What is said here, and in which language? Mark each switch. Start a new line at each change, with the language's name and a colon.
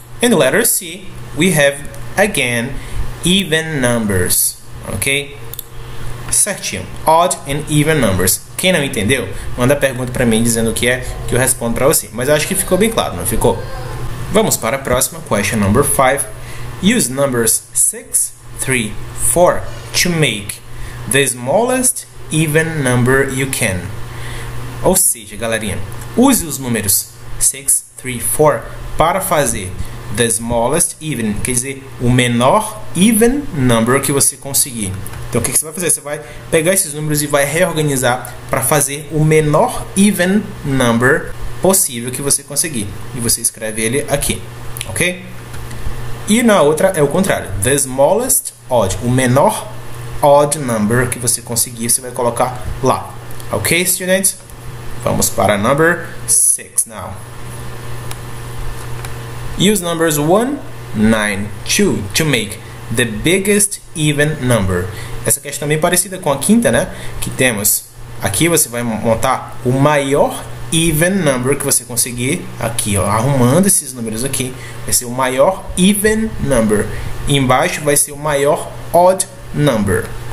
English: In letter C, we have again even numbers. Ok? Certinho. Odd and even numbers.
Portuguese: Quem não entendeu, manda pergunta para mim dizendo o que é, que eu respondo para você. Mas eu acho que ficou bem claro, não ficou? Vamos para a próxima, question number 5.
English: Use numbers 6, 3, 4 to make the smallest even number you can.
Portuguese: Ou seja, galerinha, use os números 6, 3, 4 para fazer the smallest even, quer dizer, o menor even number que você conseguir. Então, o que você vai fazer? Você vai pegar esses números e vai reorganizar para fazer o menor even number possível que você conseguir. E você escreve ele aqui, ok? E na outra é o contrário. The smallest odd, o menor odd number que você conseguir, você vai colocar lá. Ok, students? Vamos para number 6 now.
English: Use numbers 1, 9, 2 to make the biggest even number.
Portuguese: Essa questão é bem parecida com a quinta, né? Que temos. Aqui você vai montar o maior even number que você conseguir. Aqui, ó, arrumando esses números aqui, vai ser o maior even number. E embaixo vai ser o maior odd number.